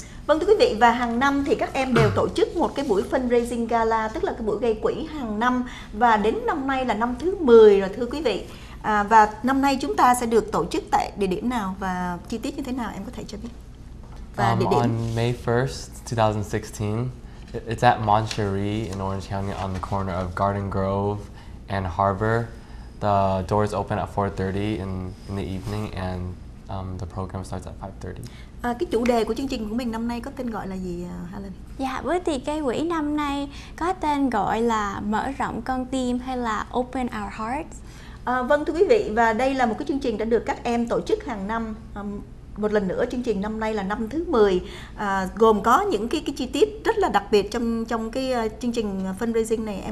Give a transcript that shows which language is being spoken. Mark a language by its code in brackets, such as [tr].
[vi] Vâng, thưa quý vị, và hàng năm thì các em đều tổ chức một cái buổi fundraising gala, tức là cái buổi gây quỹ hàng năm, và đến năm nay là năm thứ 10 rồi thưa quý vị. Và năm nay chúng ta sẽ được tổ chức tại địa điểm nào và chi tiết như thế nào, em có thể cho biết? Và địa điểm [en] on May 1st, 2016. It's at Moncherie in Orange County on the corner of Garden Grove and Harbor. The doors open at 4:30 in the evening and the program starts at 5:30. [vi] Cái chủ đề của chương trình của mình năm nay có tên gọi là gì, Harlan? Dạ, bởi vì cái quỹ năm nay có tên gọi là Mở rộng con tim hay là Open Our Hearts. Vâng, thưa quý vị, và đây là một cái chương trình đã được các em tổ chức hàng năm. Một lần nữa, chương trình năm nay là năm thứ 10, gồm có những cái chi tiết rất là đặc biệt trong cái chương trình fundraising này.